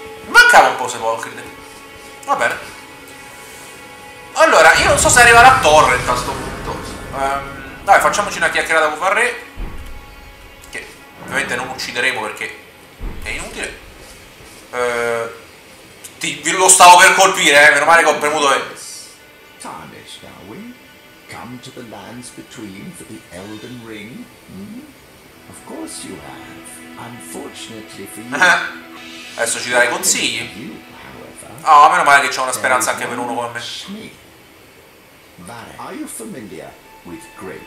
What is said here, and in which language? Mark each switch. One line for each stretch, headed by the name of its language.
Italian: Mancava un po' se vuoi, credo. Va bene. Allora, io non so se arriverà a torre a questo punto. Dai, facciamoci una chiacchierata con Varre. Ovviamente non uccideremo perché è inutile. Lo stavo per colpire, meno male che ho premuto.
English: Tarnish, are we? Come to the lands between for the Elden Ring? Of course you have. Unfortunately for you.
Italian: Adesso ci dai consigli. Oh, meno male che c'è una speranza anche per uno come me.
English: Are you familiar with Grace?